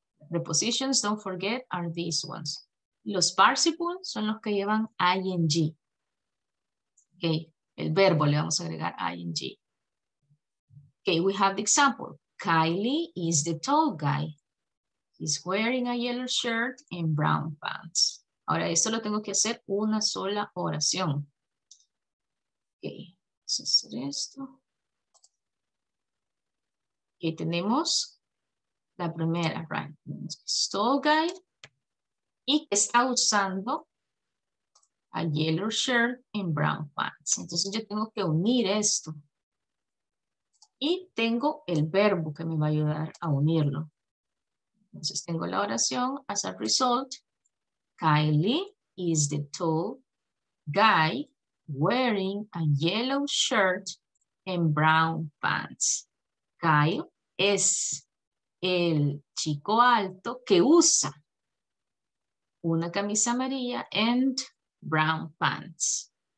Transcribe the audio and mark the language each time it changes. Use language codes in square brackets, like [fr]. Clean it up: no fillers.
[en] Prepositions, don't forget, are these ones. [es] Los participles son los que llevan ing. Okay, el verbo le vamos a agregar ing. Okay, [en] we have the example. Kylie is the tall guy. He's wearing a yellow shirt and brown pants. [es] Ahora, esto lo tengo que hacer una sola oración. Okay. Hacer esto. Aquí tenemos la primera, right? Tall guy. Y está usando [en] a yellow shirt and brown pants. [es] Entonces yo tengo que unir esto. Y tengo el verbo que me va a ayudar a unirlo. Entonces tengo la oración. [en] As a result, Kylie is the tall guy wearing a yellow shirt and brown pants. [es] Kyle es el chico alto que usa una camisa amarilla [en] and brown pants.